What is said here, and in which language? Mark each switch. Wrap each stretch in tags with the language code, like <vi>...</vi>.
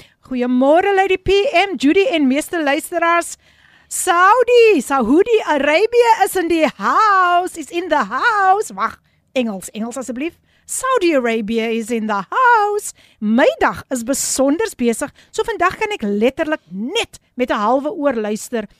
<af>Goeiemôre Lady PM, Judy en meeste luisteraars.</af> <en>Saudi Arabia is</en> <af>in die</af> <en>house, is in the house.</en> <af>Wag, Engels asseblief.</af> <en>Saudi Arabia is in the house.</en> <af>My dag is besonders besig, so vandag kan ek letterlik net met 'n halwe oor luister.</af>